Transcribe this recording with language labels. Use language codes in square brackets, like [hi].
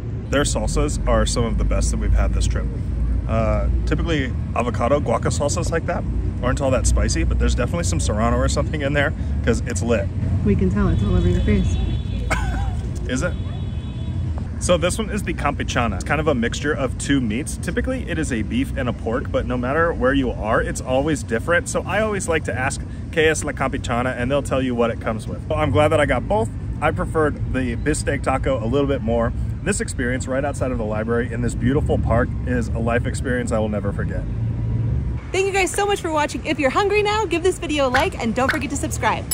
[en] Their salsas are some of the best that we've had this trip. Typically, avocado guaca salsas like that aren't all that spicy, but there's definitely some serrano or something in there because it's lit. We can tell, it's all over your face. Is it? So this one is the campechana. It's kind of a mixture of two meats. Typically, it is a beef and a pork, but no matter where you are, it's always different. So I always like to ask, [es] ¿qué es la campechana? [en] And they'll tell you what it comes with. Well, I'm glad that I got both. I preferred the bistec taco a little bit more. This experience right outside of the library in this beautiful park is a life experience I will never forget. Thank you guys so much for watching. If you're hungry now, give this video a like and don't forget to subscribe.